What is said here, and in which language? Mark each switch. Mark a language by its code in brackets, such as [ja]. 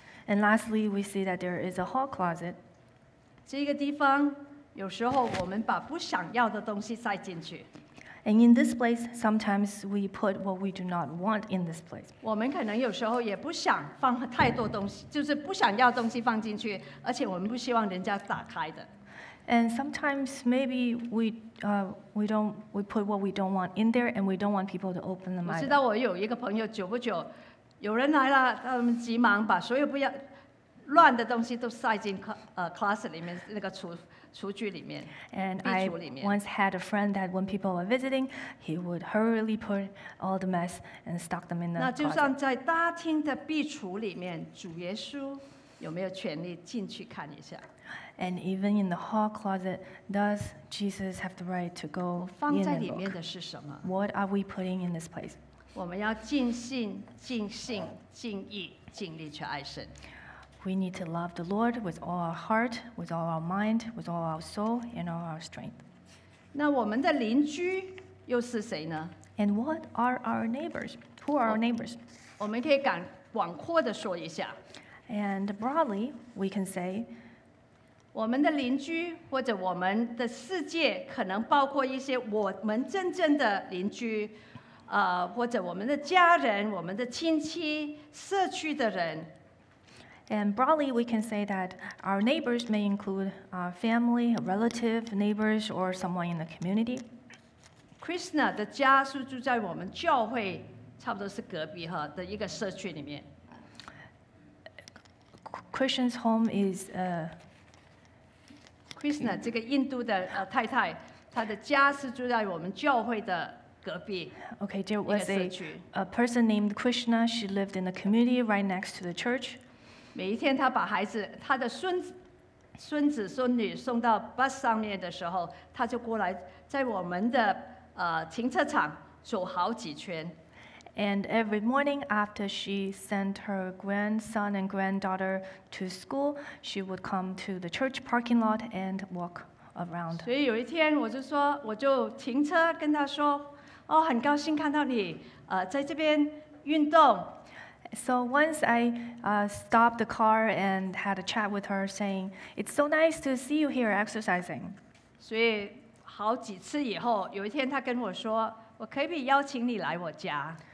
[en] And lastly, we see that there is a hall closet. [zh] 这个地方有时候我们把不想要的东西塞进去。 [en] And in this place, sometimes we put what we do not want in this place. [zh] 我们可能有时候也不想放太多东西，就是不想要东西放进去，而且我们不希望人家打开的。 [en] And sometimes maybe we put what we don't want in there and we don't want people to open them either. [zh] 我知道我有一个朋友，久不久有人来了，他们急忙把所有不要乱的东西都塞进closet 里面，那个厨具里面。 [en] And I once had a friend that when people were visiting, he would hurriedly put all the mess and stock them in the closet. [zh] 那就算在大厅的壁橱里面，主耶稣有没有权利进去看一下？ [en] And even in the hall closet, does Jesus have the right to go in and look? [zh] 放在里面的是什么？ [en] What are we putting in this place? [zh] 我们要尽心、尽性、尽意、尽力去爱神。 [en] We need to love the Lord with all our heart, with all our mind, with all our soul, and all our strength. [zh] 那我们的邻居又是谁呢？ [en] And what are our neighbors? Who are our neighbors? [zh] 我们可以广阔的说一下。 [en] And broadly, we can say, [zh] 我们的邻居或者我们的世界可能包括一些我们真正的邻居，或者我们的家人，我们的亲戚，社区的人。 [en] And broadly, we can say that our neighbors may include our family, a relative, neighbors, or someone in the community. [zh] Krishna 的家是住在我们教会，差不多是隔壁哈的一个社区里面。 [en] Krishna's home is [zh] Krishna 这个印度的太太，她的家是住在我们教会的。 [en] Okay, there was a person named Krishna. She lived in the community right next to the church. [zh] 每一天，她把孩子、她的孙子、孙女送到 bus 上面的时候，她就过来在我们的停车场走好几圈。 [en] And every morning after she sent her grandson and granddaughter to school, she would come to the church parking lot and walk around. [zh] 所以有一天，我就停车跟她说。哦，很高兴看到你，在这边运动。 [en] So once I stopped the car and had a chat with her, saying, "It's so nice to see you here exercising." [zh] 所以好几次以后，有一天她跟我说，我可以邀请你来我家。